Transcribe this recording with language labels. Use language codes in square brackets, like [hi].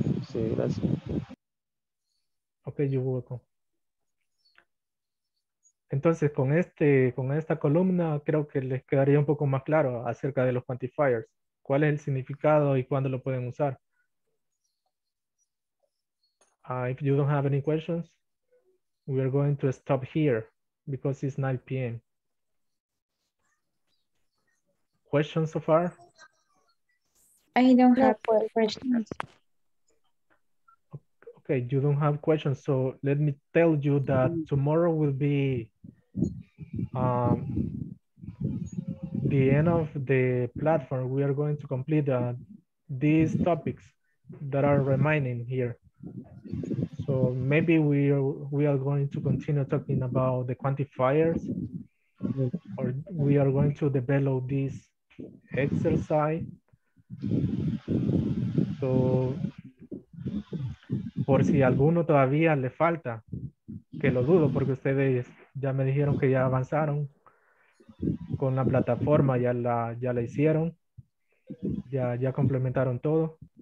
[es] Sí, gracias. [en] Okay, you're welcome. [es] Entonces, con este, con esta columna, creo que les quedaría un poco más claro acerca de los quantifiers. ¿Cuál es el significado y cuándo lo pueden usar? [en] If you don't have any questions, we are going to stop here because it's 9 p.m. Questions so far? I don't have questions. Okay, you don't have questions. So let me tell you that tomorrow will be the end of the platform. We are going to complete these topics that are remaining here. So maybe we are going to continue talking about the quantifiers, or we are going to develop this exercise. [es] So por si alguno todavía le falta, que lo dudo porque ustedes ya me dijeron que ya avanzaron con la plataforma, ya la hicieron, ya complementaron todo.